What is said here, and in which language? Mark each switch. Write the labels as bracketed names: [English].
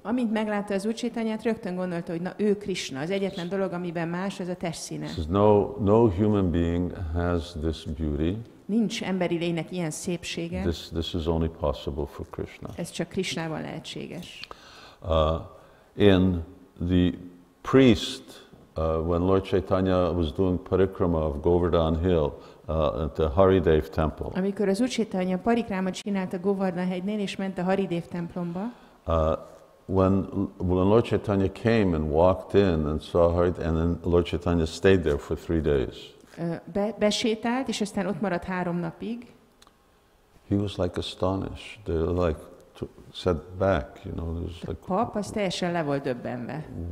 [Hungarian] Amint meglátta az Úr Csaitanyát, rögtön gondolta, hogy na ő Krishna. Az egyetlen dolog, amiben más, az a testszíne. [English] No human being has this beauty. [Hungarian] Nincs emberi lénynek ilyen szépsége. [English] This is only possible for Krishna. [Hungarian] Ez csak Krishnában lehetséges. [English] In the priest, when Lord Chaitanya was doing parikrama of Govardhan Hill at the Haridev temple. [Hungarian] Amikor az Úr Csaitanya parikrama csinált a Govardhan hegynél és ment a Haridev templomba. [English] When Lord Chaitanya came and walked in and saw Haridev, and then Lord Chaitanya stayed there for 3 days. [Hungarian] Besétált és aztán ott maradt 3 napig. [English] He was like astonished. They're like, set back, you know, there's like [Hungarian] pap, az teljesen le volt döbbenve.